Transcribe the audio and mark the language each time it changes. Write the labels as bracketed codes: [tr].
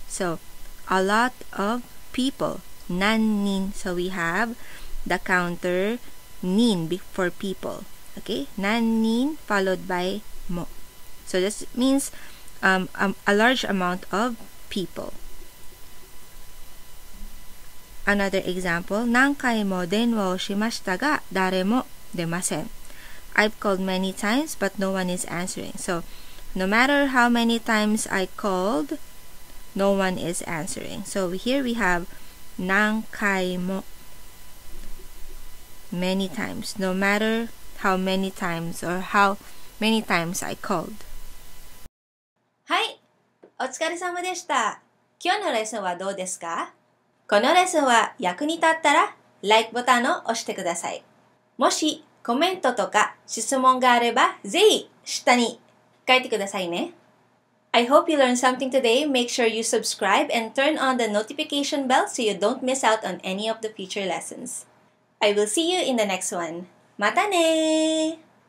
[en] So, a lot of people. 何人? So, we have the counter 人 for people. Okay? 何人 followed by も.So, this means a large amount of people. Another example. [ja] 何回も電話をしましたが誰も出ません。 [en] I've called many times, but no one is answering. So, no matter how many times I called, no one is answering. So, here we have 何回も many times. No matter how many times or how many times I called. [ja] はい、お疲れ様でした。今日のレッスンはどうですか？このレッスンは役に立ったら、LIKE ボタンを押してください。もしコメントとか質問があれば、ぜひ下に書いてくださいね。 [en] I hope you learned something today. Make sure you subscribe and turn on the notification bell so you don't miss out on any of the future lessons. I will see you in the next one. またねー!